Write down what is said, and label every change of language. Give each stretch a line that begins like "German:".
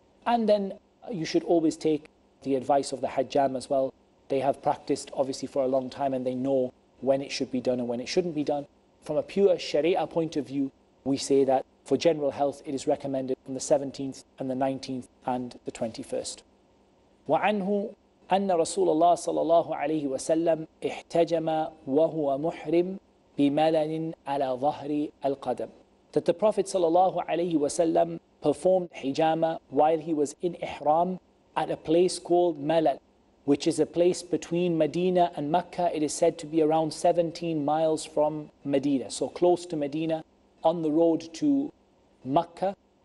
English: And then you should always take the advice of the hajjam as well. They have practiced obviously for a long time and they know when it should be done and when it shouldn't be done. From a pure Sharia point of view, we say that for general health, it is recommended on the 17th and the 19th and the 21st.
Arabic: وعنه أن رسول الله صلى الله عليه وسلم احتجم وهو محرم بملل على ظهر القدم.
English: That the Prophet
Arabic: صلى الله عليه وسلم
English: performed hijama while he was in ihram at a place called Malal, which is a place between Medina and Mecca. It is said to be around 17 miles from Medina, so close to Medina, on the road to Mecca.